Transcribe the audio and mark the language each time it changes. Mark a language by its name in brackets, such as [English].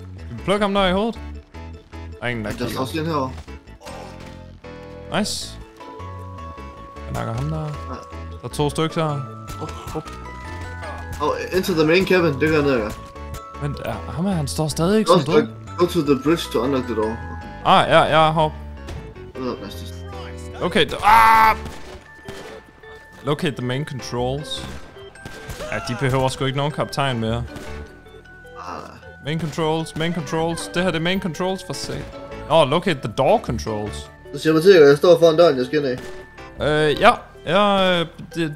[Danish] Vi plukker ham der i hovedet. Der er ingen, der kigger. Der er også en her. Nice. Jeg nakker ham der. Der er to stykker her. [English] Enter the main cabin. [Danish] Det gør jeg ned, ja. Men ham her, han står stadig ikke som drøm. [English] Go to the bridge to unlock the door. [Danish] Ja, hop. [English] Okay, locate the main controls. [Danish] De behøver sgu ikke nogen kaptajn mere. [English] Main controls. [Danish] Det her, det er main controls for sig. [English] Locate the door controls. [Danish] Så siger man til, at jeg står foran døren, jeg skal ind af.